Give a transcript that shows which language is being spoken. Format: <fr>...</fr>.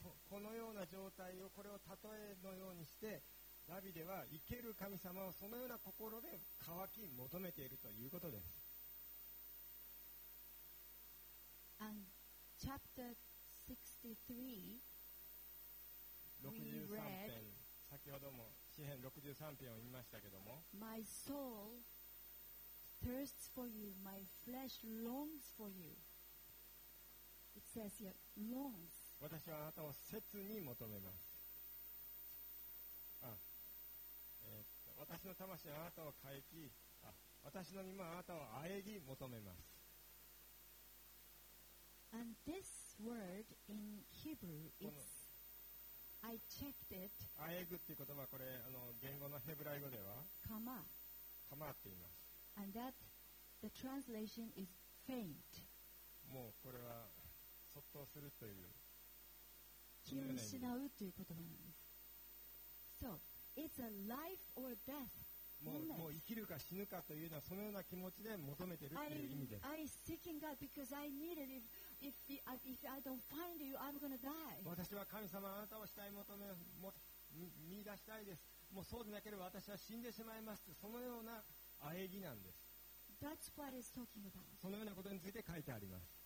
<ja>このような状態をこれを例えのようにしてダビデは生ける神様をそのような心で渇き求めているということです。</ja> <en>And chapter 63, we read,</en> <ja>先ほども詩編63篇を見ましたけども</ja> <en>My soul thirsts for you, my flesh longs for you. It says here, longs.</en> <ja>私はあなたを切に求めます。私の魂はあなたを喚き、私の身もあなたを喘ぎ求めます。</ja> <en>And this word in Hebrew is, I checked it.</en> <ja>喘ぐっていう言葉はこれ、言語のヘブライ語では、かま。かまって言います。</ja> <en>And that the translation is faint.</en> <ja>もうこれは、そっとするという気を失うという言葉なんです。</ja> <en>So, it's a life or death.</en> <ja>もう生きるか死ぬかというのはそのような気持ちで求めているという意味です。</ja> <en>I'm seeking God because I need it. If I don't find you, I'm gonna die.</en> <ja>私は神様、あなたをしたい求め、も見出したいです。もうそうでなければ私は死んでしまいます。そのような喘ぎなんです。</ja> <en>That's what it's talking about.</en> <ja>そのようなことについて書いてあります。</ja>